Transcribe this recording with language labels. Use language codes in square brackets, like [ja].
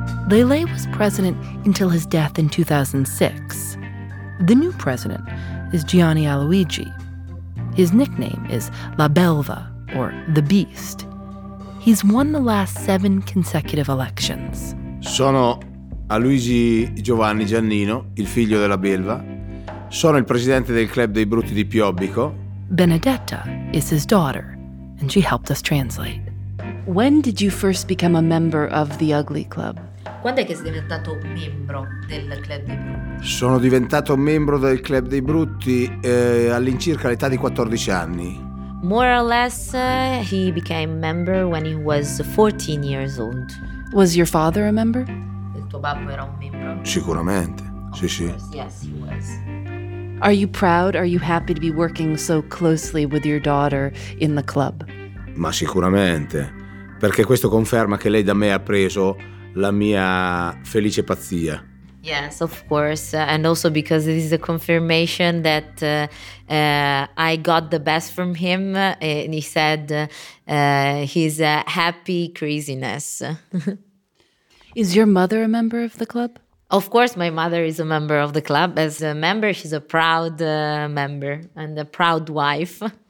[en] Lele was president until his death in 2006. The new president is Gianni Aloigi. His nickname is La Belva, or the Beast. He's won the last 7 consecutive elections. [it] Sono Aloigi Giovanni Giannino, il figlio della Belva. Sono il presidente del Club dei Brutti di Piobbico. [en] Benedetta is his daughter, and she helped us translate. When did you first become a member of the Ugly Club? [it] Quando è che sei diventato membro del Club dei Brutti? Sono diventato membro del Club dei Brutti all'incirca all'età di 14 anni. [en] More or less, he became member when he was 14 years old. Was your father a member? [it] Il tuo babbo era un membro? Sicuramente, sì, sì. [en] Yes, he was. Are you proud? Are you happy to be working so closely with your daughter in the club? [it] Ma sicuramente, perché questo conferma che lei da me ha preso la mia felice pazzia. [en] Yes, of course, and also because this is a confirmation that I got the best from him, and he said he's a happy craziness. Is your mother a member of the club? Of course, my mother is a member of the club. As a member, she's a proud member and a proud wife.